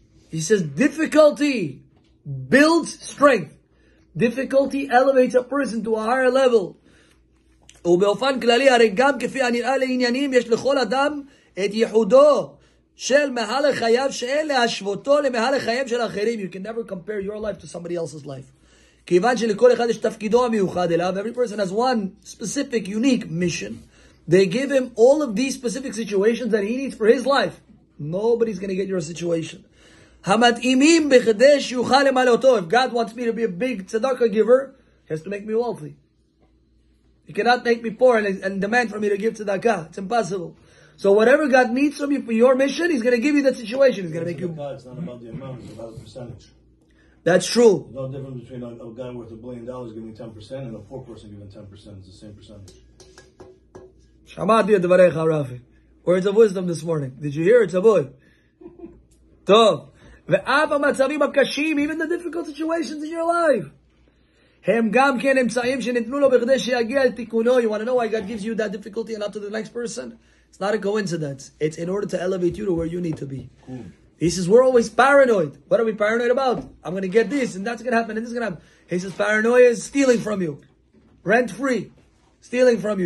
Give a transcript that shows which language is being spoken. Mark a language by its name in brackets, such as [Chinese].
[English] He says, difficulty builds strength. Difficulty elevates a person to a higher level. [Hebrew] ובאופן כללי, הרי גם כפי הנראה לעניינים, יש לכל אדם את ייחודו של מהל החייו שאין להשוותו למהל החייו של אחרים. [English] You can never compare your life to somebody else's life. [Hebrew] כיוון שלכל אחד יש תפקידו המיוחד אליו, [English] every person has one specific, unique mission. They give him all of these specific situations that he needs for his life. Nobody's going to get your situation. [Hebrew] המתאימים בכדי שיוכל למעלה אותו. [English] If God wants me to be a big tzedakah giver, he has to make me wealthy. He cannot make me poor and demand for me to give tzedakah. It's impossible. So whatever God needs from you for your mission, he's going to give you that situation. He's going to make you... It's not about the amount, it's about the percentage. That's true. There's no difference between a guy worth $1 billion giving 10% and a poor person giving 10%. It's the same percentage. [Hebrew] Shamati at dvarecha, Rafi. [English] Words of wisdom this morning. Did you hear it? Tzavoy. [Hebrew] Tov. ואף המצבים הקשים, [English] even the difficult situations in your life, [Hebrew] הם גם כן אמצעים שניתנו לו בכדי שיגיע אל תיקונו. [English] You want to know why God gives you that difficulty and not to the next person? It's not a coincidence. It's in order to elevate you to where you need to be. He says, we're always paranoid. What are we paranoid about? I'm going to get this and that's going to happen and this is going to happen. He says, paranoia is stealing from you. Rent free. Stealing from you.